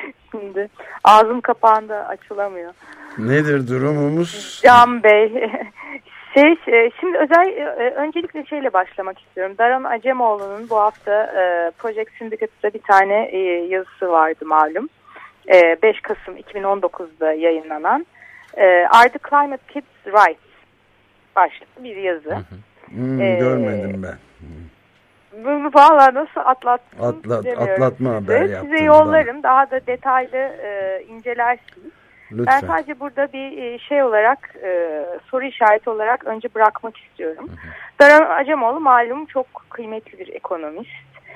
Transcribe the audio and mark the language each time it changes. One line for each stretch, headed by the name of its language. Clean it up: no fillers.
Turkish: Şimdi ağzım kapağında açılamıyor. Nedir durumumuz? Can Bey. Şimdi öncelikle şeyle başlamak istiyorum. Daran Acemoğlu'nun bu hafta Project Syndicate'da bir tane yazısı vardı malum. 5 Kasım 2019'da yayınlanan.
English: Are the Climate Kids Right?
Turkish: Başlıklı bir yazı. Görmedim ben. Bunu valla nasıl atlattım bilmiyorum. Atlatma size. Haber yaptım. Size yollarım bana. Daha da detaylı incelersiniz. Lütfen. Ben sadece burada bir şey olarak soru işareti olarak önce bırakmak istiyorum. Daran Acemoğlu malum çok kıymetli bir ekonomist.